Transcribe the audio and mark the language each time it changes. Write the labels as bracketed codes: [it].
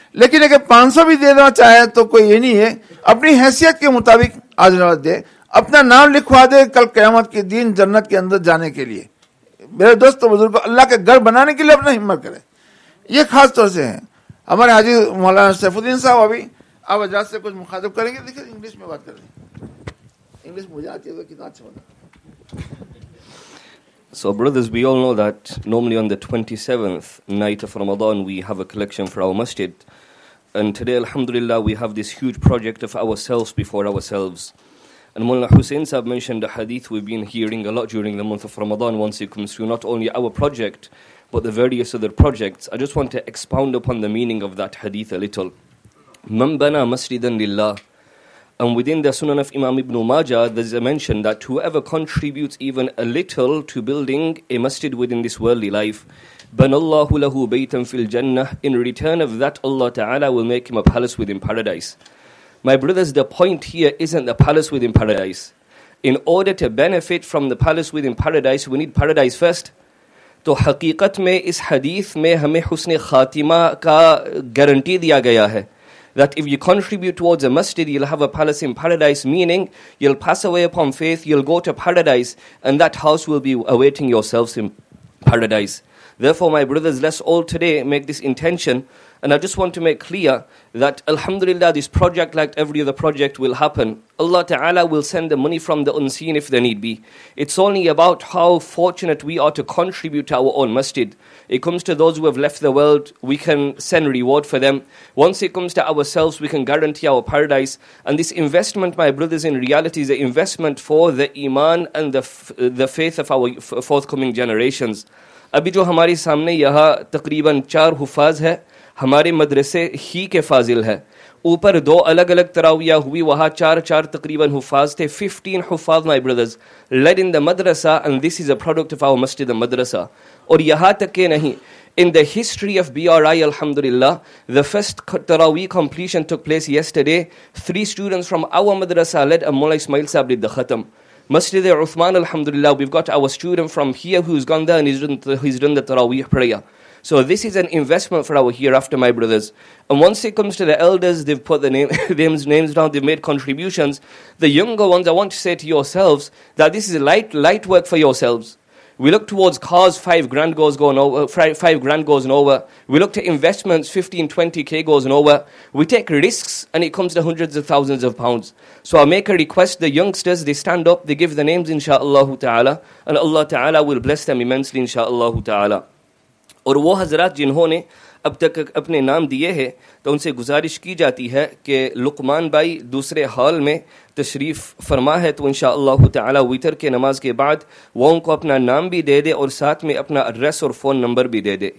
[ur] لیکن اگر 500 بھی دینا چاہے تو کوئی یہ نہیں ہے, اپنی حیثیت کے مطابق آج دے, اپنا نام لکھوا دے کل قیامت کے دن جنت کے اندر جانے کے لیے. میرے دوست بزرگ اللہ کے گھر بنانے کے لیے اپنا ہمت کرے. یہ خاص طور سے ہے ہمارے حاجی مولانا سیف الدین صاحب, ابھی آپ اجاز سے کچھ مخاطب کریں گے. دیکھیں انگلش میں بات کر رہے ہیں, انگلش مجھے آتی ہے تو کتنا اچھا ہوتا. [en] So brothers, we all know that normally on the 27th night of Ramadan we have a collection for our masjid, and today alhamdulillah we have this huge project of ourselves before ourselves. And Mullah Hussein Sahib mentioned a hadith we've been hearing a lot during the month of Ramadan once it comes through, not only our project but the various other projects. I just want to expound upon the meaning of that hadith a little. [ar] Man bana masjidan lillah. [en] And within the Sunan of Imam Ibn Majah, there's a mention that whoever contributes even a little to building a masjid within this worldly life, [ar] banallahu lahu baytan fil jannah, [en] in return of that Allah Ta'ala will make him a palace within paradise. My brothers, the point here isn't the palace within paradise. In order to benefit from the palace within paradise, we need paradise first. [ur] تو حقیقت میں اس حدیث میں ہمیں حسن خاتمہ کا guarantee دیا گیا ہے. [en] That if you contribute towards a masjid, you'll have a palace in paradise, meaning you'll pass away upon faith, you'll go to paradise, and that house will be awaiting yourselves in paradise. Therefore, my brothers, let's all today make this intention. And I just want to make clear that, alhamdulillah, this project, like every other project, will happen. Allah Ta'ala will send the money from the unseen if there need be. It's only about how fortunate we are to contribute to our own masjid. It comes to those who have left the world, we can send reward for them. Once it comes to ourselves, we can guarantee our paradise. And this investment, my brothers, in reality is an investment for the iman and the faith of our forthcoming generations. [ur] ابھی جو ہماری سامنے یہاں تقریباً 4 حفاظ ہے, ہمارے مدرسے ہی کے فاضل ہے. اوپر دو الگ الگ تراویہ ہوئی, وہاں چار چار تقریباً حفاظ تھے. [en] 15 حفاظ my brothers led in the madrasa, and this is a product of our masjid madrasa. [ur] اور یہاں تک کہ نہیں, [en] In the history of B R I الحمد للہ, the first Taraweeh completion took place yesterday, 3 students from our madrasa led a Maula Ismail Sahib led the khatam. Masjid Uthman, alhamdulillah, we've got our student from here who's gone there and he's done the Taraweeh prayer. So this is an investment for our hereafter, my brothers. And once it comes to the elders, they've put the names down, they've made contributions. The younger ones, I want to say to yourselves that this is light work for yourselves. We look towards cars, 5 grand goes nowhere. We look to investments, 15-20k goes nowhere. We take risks and it comes to hundreds of thousands of pounds. So I make a request, the youngsters, they stand up, they give the names, insha'Allah ta'ala, and Allah ta'ala will bless them immensely, insha'Allah ta'ala. [ur] اور وہ حضرات جنہوں نے اب تک اپنے نام دیے ہیں تو ان سے گزارش کی جاتی ہے کہ لقمان بھائی دوسرے ہال میں تشریف فرما ہے, تو انشاءاللہ تعالی وتر کے نماز کے بعد وہ ان کو اپنا نام بھی دے دے اور ساتھ میں اپنا ایڈریس اور فون نمبر بھی دے دے.